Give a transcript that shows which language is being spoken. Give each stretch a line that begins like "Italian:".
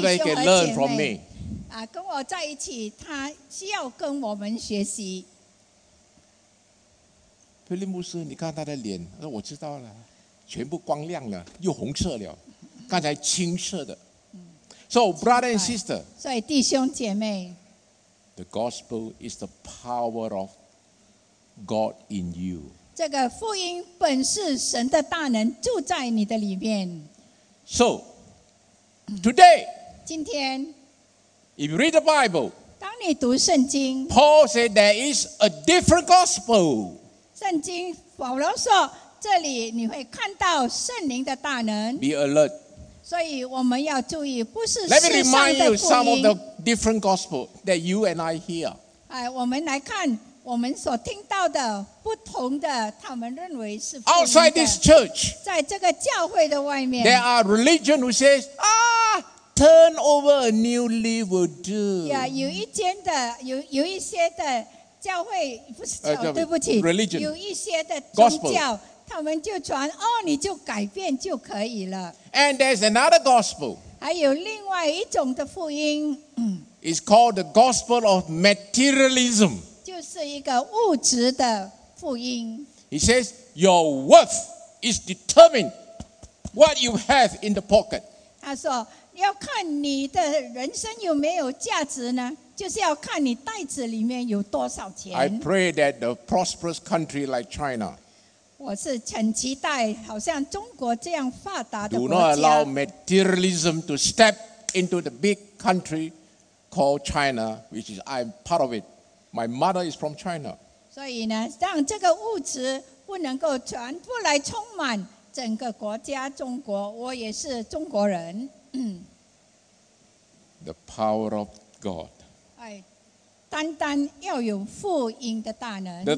Chinese: 兄和姐妹。
English: So they can learn from me.
Chinese: 跟我在一起，他需要跟我们学习。菲利牧师，你看他的脸，我知道了，全部光亮了，又红色了，刚才青色的。
English: So brother and sister,
Chinese: 所以弟兄姐妹
English: ，The gospel is the power of God in you.
Chinese: 这个福音本是神的大能住在你的里面。
English: So today,
Chinese: 今天
English: ，If you read the Bible,
Chinese: 当你读圣经
English: ，Paul said there is a different gospel.
Chinese: 圣经保罗说：“这里你会看到圣灵的大能。”
English: Be alert.
Chinese: 所以我们要注意，不是世上的福音。
English: Let me remind you some of the different gospel that you and I hear.
Chinese: 我们来看我们所听到的不同的，他们认为是福音的。
English: Outside this church,
Chinese: 在这个教会的外面
English: ，there are religion who says, turn over a new leaf will do.
Chinese: 有一些的。教会不是教，对不起
English: ，religion,
Chinese: 有一些的宗教，他们就传哦，你就改变就可以了。
English: And there's another gospel.
Chinese: 还有另外一种的福音。
English: It's called the gospel of materialism.
Chinese: 就是一个物质的福音。
English: He says your worth is determined what you have in the pocket.
Chinese: 他说要看你的人生有没有价值呢？就是要看你袋子里面有多少钱。
English: I pray that a prosperous country like China.
Chinese: 我是很期待，好像中国这样发达的国家。
English: Do not allow materialism to step into the big country called China, which is I'm part of it. My mother is from China.
Chinese: 所以呢，让这个物质不能够全部来充满整个国家中国。我也是中国人。
English: The power of God.
Chinese: 单单要有福音的大能。